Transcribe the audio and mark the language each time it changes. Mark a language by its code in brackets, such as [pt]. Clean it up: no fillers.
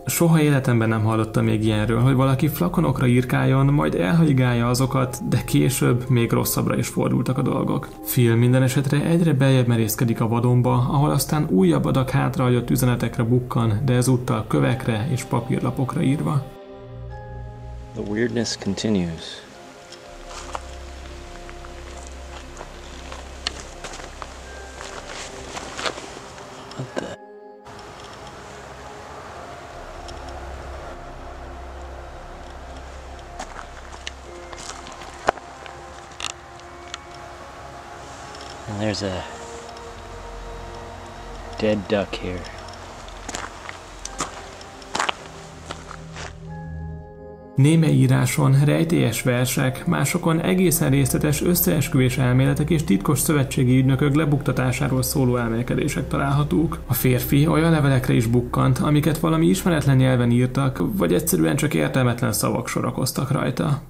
[hu] Soha életemben nem hallottam még ilyenről, hogy valaki flakonokra írkáljon, majd elhaigálja azokat, de később még rosszabbra is fordultak a dolgok. Phil minden esetre egyre beljebb merészkedik a vadonba, ahol aztán újabb adag hátrahagyott üzenetekre bukkan, de ezúttal a kövekre és papírlapokra írva. [en] The weirdness continues. What the? And there's a dead duck here. [hu] Némely íráson rejtélyes versek, másokon egészen részletes összeesküvés elméletek és titkos szövetségi ügynökök lebuktatásáról szóló elmélkedések találhatók. A férfi olyan levelekre is bukkant, amiket valami ismeretlen nyelven írtak, vagy egyszerűen csak értelmetlen szavak sorakoztak rajta.